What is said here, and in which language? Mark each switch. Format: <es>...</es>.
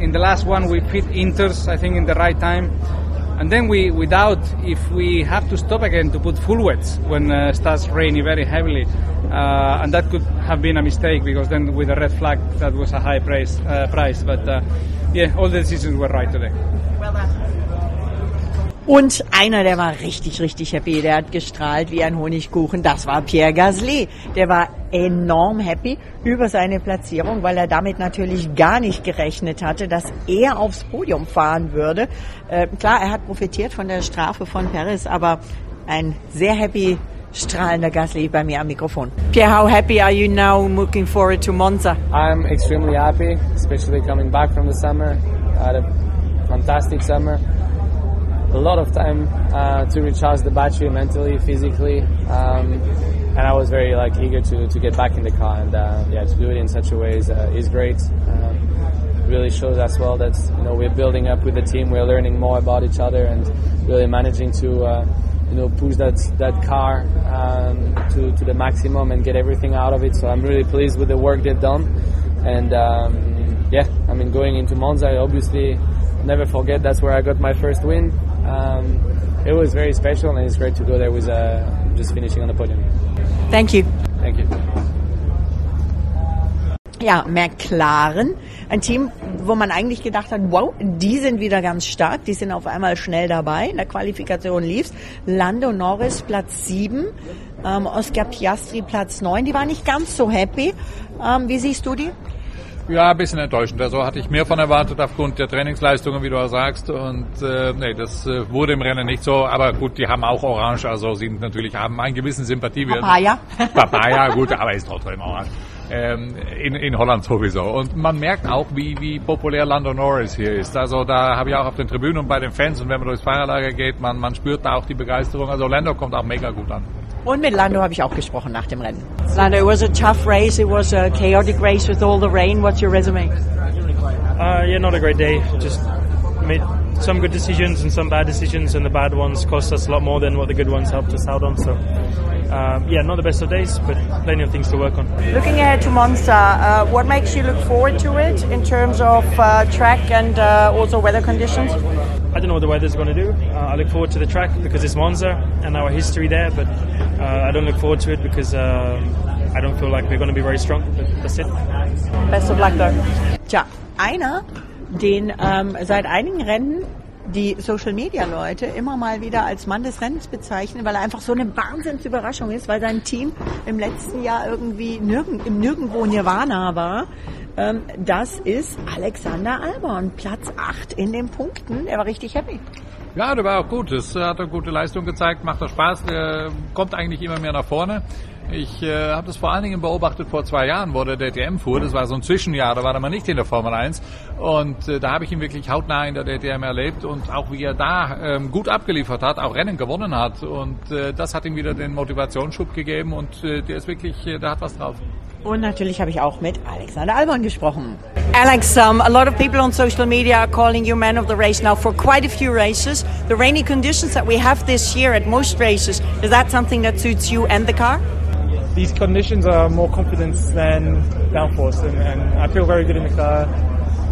<en>In the last one, we pit Inters, I think, in the right time. And then we doubt if we have to stop again to put full wets when it starts raining very heavily. And that could have been a mistake, because then with a red flag, that was a high price. But yeah, all the decisions were right today. Well done.</en> <de>Und einer, der war richtig, richtig happy, der hat gestrahlt wie ein Honigkuchen, das war Pierre Gasly. Der war enorm happy über seine Platzierung, weil er damit natürlich gar nicht gerechnet hatte, dass er aufs Podium fahren würde. Klar, er hat profitiert von der Strafe von Perez, aber ein sehr happy, strahlender Gasly bei mir am Mikrofon.</de> <en>Pierre, how happy are you now looking forward to Monza? I'm extremely happy, especially coming back from the summer. I had a fantastic summer. A lot of time to recharge the battery mentally, physically, and I was very like eager to get back in the car, and yeah, to do it in such a way is great. Really shows as well that, you know, we're building up with the team, we're learning more about each other, and really managing to you know, push that car to the maximum and get everything out of it. So I'm really pleased with the work they've done, and yeah, I mean, going into Monza, I obviously never forget that's where I got my first win. It was very special, and it's great to go there with just finishing on the podium. Thank you. Thank you.</en> <de>Ja, McLaren, ein Team, wo man eigentlich gedacht hat, wow, die sind wieder ganz stark, die sind auf einmal schnell dabei. In der Qualifikation lief's. Lando Norris Platz 7, Oscar Piastri Platz 9. Die waren nicht ganz so happy. Wie siehst du die? Ja, ein bisschen enttäuschend. Also hatte ich mehr von erwartet aufgrund der Trainingsleistungen, wie du auch sagst. Und nee, das wurde im Rennen nicht so. Aber gut, die haben auch Orange. Also sie natürlich haben einen gewissen Sympathiewert. Papaya, gut, aber ist trotzdem Orange. In Holland sowieso. Und man merkt auch, wie populär Lando Norris hier ist. Also da habe ich auch auf den Tribünen und bei den Fans, und wenn man durchs Fahrerlager geht, man spürt da auch die Begeisterung. Also Lando kommt auch mega gut an. Und mit Lando habe ich auch gesprochen nach dem Rennen.</de> <en>Lando, it was a tough race. It was a chaotic race with all the rain. What's your resume? Yeah, not a great day. Just made some good decisions and some bad decisions, and the bad ones cost us a lot more than what the good ones helped us out on. So, yeah, not the best of days, but plenty of things to work on. Looking ahead to Monza, what makes you look forward to it in terms of track and also weather conditions? I don't know what the weather's going to do. I look forward to the track because it's Monza and our history there, but I don't look forward to it because I don't feel like we're going to be very strong, but that's it. Best of luck, though.</en> <de>Tja, einer, den seit einigen Rennen die Social-Media-Leute immer mal wieder als Mann des Rennens bezeichnen, weil er einfach so eine Wahnsinnsüberraschung ist, weil sein Team im letzten Jahr irgendwie nirgendwo Nirvana war. Das ist Alexander Albon, Platz 8 in den Punkten. Er war richtig happy. Ja, der war auch gut. Das hat eine gute Leistung gezeigt, macht auch Spaß. Der kommt eigentlich immer mehr nach vorne. Ich habe das vor allen Dingen beobachtet vor 2 Jahren, wo der DTM fuhr. Das war so ein Zwischenjahr, da war er mal nicht in der Formel 1. Und da habe ich ihn wirklich hautnah in der DTM erlebt. Und auch wie er da gut abgeliefert hat, auch Rennen gewonnen hat. Und das hat ihm wieder den Motivationsschub gegeben. Und der ist wirklich, der hat was drauf. Und natürlich habe ich auch mit Alexander Albon gesprochen.</de> <en>Alex, a lot of people on social media are calling you man of the race now for quite a few races. The rainy conditions that we have this year at most races, is that something that suits you and the car? These conditions are more confidence than downforce, and I feel very good in the car.</en>